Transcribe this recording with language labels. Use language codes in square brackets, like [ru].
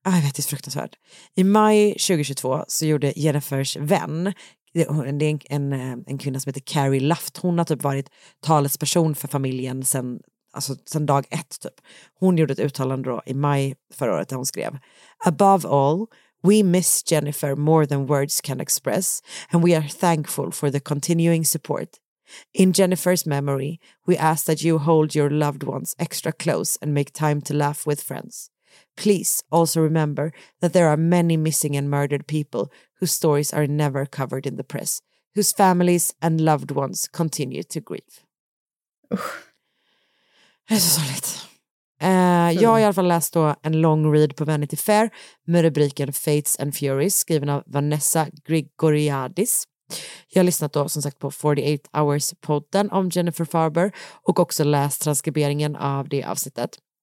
[sv] Och, jag vet, det är fruktansvärt. I maj 2022 så gjorde Jennifers vän, det är en kvinna som heter Carrie Luft, hon har typ varit talesperson för familjen sen, alltså sen dag ett typ. Hon gjorde ett uttalande då i maj förra året där hon skrev: [en] "Above all, we miss Jennifer more than words can express, and we are thankful for the continuing support. In Jennifer's memory, we ask that you hold your loved ones extra close and make time to laugh with friends. Please also remember that there are many missing and murdered people whose stories are never covered in the press, whose families and loved ones continue to grieve." [sv] Det är så sorgligt. Jag har i alla fall läst då en lång read på Vanity Fair med rubriken Fates and Furies, skriven av Vanessa Grigoriadis. Jag har lyssnat då som sagt på 48 Hours-podden om Jennifer Farber och också läst transkriberingen av det avsnittet.